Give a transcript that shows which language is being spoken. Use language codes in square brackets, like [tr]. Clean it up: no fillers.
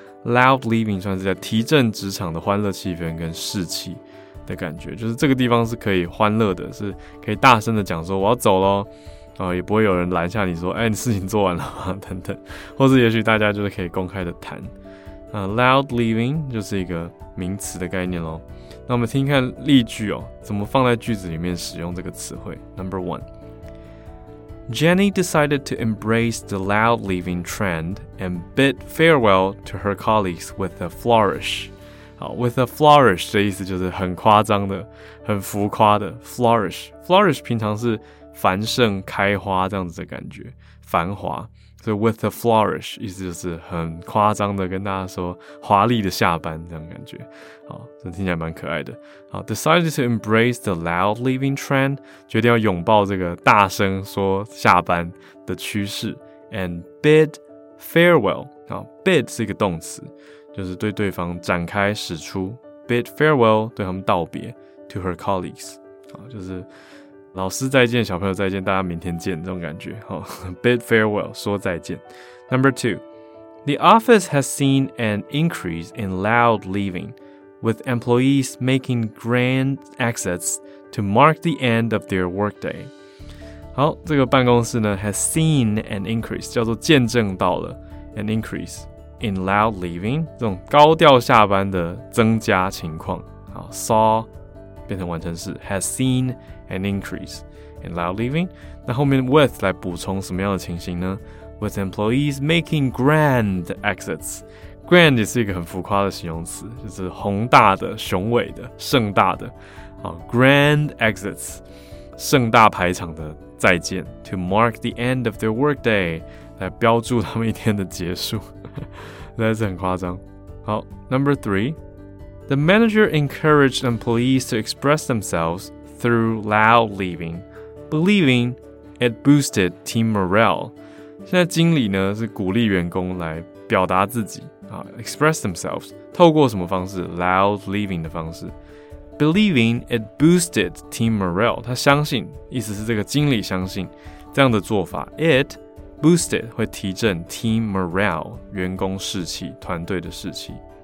[zh] Loud leaving 算是在提振职场的欢乐气氛跟士气的感觉，就是这个地方是可以欢乐的，是可以大声的讲说我要走咯，也不会有人拦下你说哎，你事情做完了吗等等，或是也许大家就是可以公开的谈。 Loud leaving 就是一个名词的概念咯。那我们听看例句哦，怎么放在句子里面使用这个词汇。 [en] Number one，Jenny decided to embrace the loud leaving trend and bid farewell to her colleagues with a flourish. [zh] 好 ，with a flourish 的意思就是很夸张的、很浮夸的 flourish。 flourish 平常是繁盛、开花这样子的感觉，繁华。所以 with a flourish 意思就是很夸张的跟大家说华丽的下班这样的感觉。好，这听起来蛮可爱的。好 , [en] decided to embrace the loud leaving trend, [zh] 决定要拥抱这个大声说下班的趋势。 [en] And bid farewell, [zh] 好 ,bid 是一个动词，就是对对方展开使出。 bid farewell, 对他们道别 , [en] to her colleagues, [zh] 好，就是老师再见，小朋友再见，大家明天见，这种感觉。 [en] Bid farewell, [zh] 说再见。 [en] Number two, the office has seen an increase in loud leaving, with employees making grand exits to mark the end of their workday. [zh] 好，这个办公室呢 [en] has seen an increase, [zh] 叫做见证到了 [en] an increase in loud leaving, [zh] 这种高调下班的增加情况。 [en] 好 saw [zh] 变成完成式 [en] has seenan increase in loud leaving. [zh] 那后面 with 来补充什么样的情形呢？ [en] With employees making grand exits. [zh] Grand 也是一个很浮夸的形容词，就是宏大的、雄伟的、盛大的。好 grand exits, 盛大排场的再见。 [en] To mark the end of their workday, [zh] 来标注他们一天的结束。实在是很夸张。好 , [en] number three. The manager encouraged employees to express themselves,through loud leaving, believing it boosted team morale. [zh] 现在经理呢是鼓励员工来表达自己啊 , [en] express themselves, [zh] 透过什么方式 ,loud leaving 的方式。 [en] believing it boosted team morale, [zh] 他相信，意思是这个经理相信这样的做法 , [en] it boosted [zh] 会提振 [en] team morale, [zh] 员工士气，团队的士气。